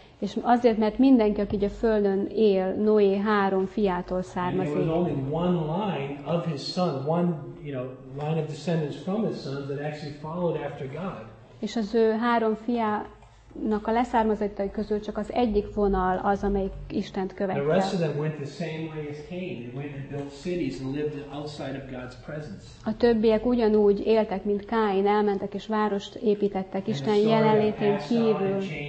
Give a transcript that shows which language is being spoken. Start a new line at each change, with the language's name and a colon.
Hungarian: És azért, mert mindenki, aki a Földön él, Noé három fiától származik.
English: And there was only one line of his son, one, you know, line of descendants from his son that actually followed after God.
Hungarian: És az ő három fiának a leszármazottai közül csak az egyik vonal az, amelyik Istent követte.
English: The rest of them went the same way as Cain. They went and built cities and lived outside of God's presence.
Hungarian: A többiek ugyanúgy éltek, mint Káin, elmentek és várost építettek Isten jelenlétén kívül.